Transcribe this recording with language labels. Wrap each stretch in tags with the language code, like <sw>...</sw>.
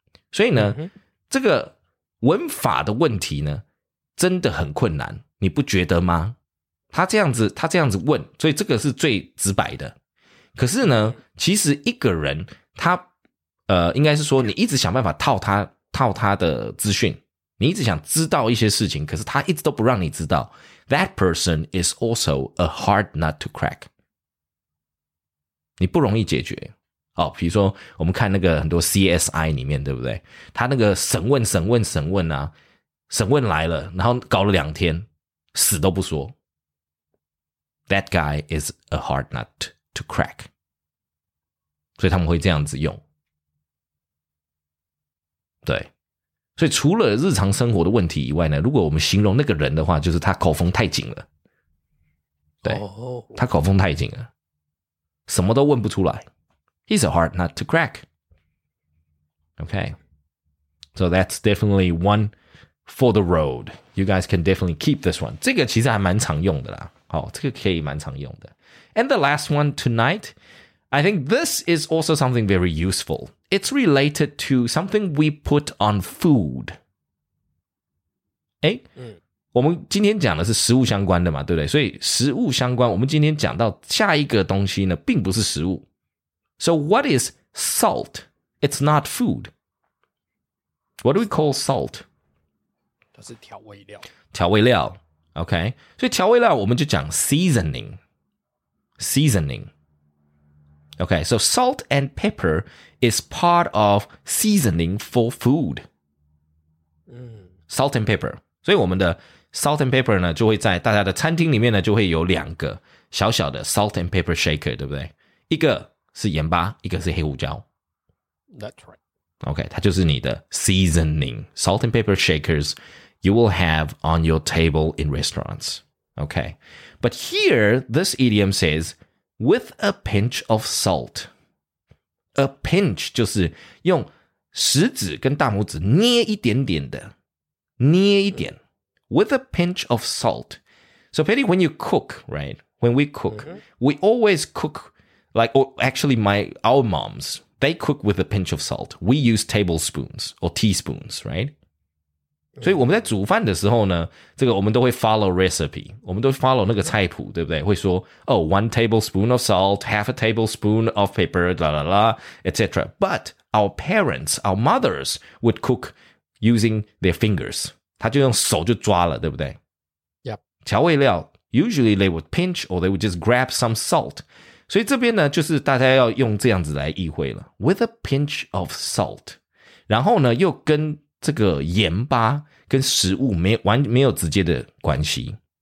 <zh>所以呢，这个文法的问题呢，真的很困难，你不觉得吗？他这样子问，所以这个是最直白的。可是呢，其实一个人他应该是说你一直想办法套他的资讯，你一直想知道一些事情，可是他一直都不让你知道。</zh> <en>That person is also a hard nut to crack.</en> <zh>你不容易解决。哦，比如说我们看那个很多 CSI 里面，对不对？他那个审问啊，审问来了，然后搞了两天，死都不说。</zh> <en>That guy is a hard nut to crack.</en> <zh>所以他们会这样子用。对。所以除了日常生活的问题以外呢，如果我们形容那个人的话，就是他口风太紧了。对，他口风太紧了，什么都问不出来。</zh> <en>He's a hard nut to crack. Okay. So that's definitely one for the road. You guys can definitely keep this one.</en> <zh>这个其实还蛮常用的啦。哦，这个可以蛮常用的。</zh> <en>And the last one tonight, I think this is also something very useful. It's related to something we put on food.</en> <zh>我们今天讲的是食物相关的嘛，对不对？所以食物相关，我们今天讲到下一个东西呢，并不是食物。</zh> <en>So what is salt? It's not food. What do we call salt?</en> <zh>它是调味料。调味料 ,</zh> <en>OK?</en> <zh>所以调味料我们就讲 seasoning. Seasoning.</zh> <en>Okay, so salt and pepper is part of seasoning for food. Salt and pepper.</en> <zh>所以我们的</zh> <en>salt and pepper</en> <zh>呢，就会在大家的餐厅里面呢，就会有两个小小的</zh> <en>salt and pepper shaker,</en> <zh>对不对？一个是盐巴，一个是黑胡椒。</zh> <en>That's right.</en> <zh>Okay, 它就是你的 seasoning.</zh> <en>Salt and pepper shakers you will have on your table in restaurants. Okay. But here, this idiom says... With a pinch of salt. A pinch</en> <zh>就是用食指跟大拇指捏一点点的。捏一点</zh> <en>with a pinch of salt. So, Patty, when you cook, right, when we cook,、mm-hmm. we always cook, like, or actually our moms, they cook with a pinch of salt. We use tablespoons or teaspoons, right?、Mm-hmm.</en> <zh>所以我们在煮饭的时候呢，这个我们都会</zh> <en>follow recipe,</en> <zh>我们都 follow 那个菜谱，对不对？会说</zh> <en>oh, one tablespoon of salt, half a tablespoon of pepper, la la la, etc. But our parents, our mothers would cookusing their fingers.</en> <zh>他就用手就抓了，对不对？</zh> <en>Yep.</en> <zh>调味料</zh> <en>usually they would pinch or they would just grab some salt.</en> <zh>所以这边呢，就是大家要用这样子来意会了。</zh> <en>With a pinch of salt.</en> <zh>然后呢，又跟这个盐巴跟食物没有直接的关系。</zh>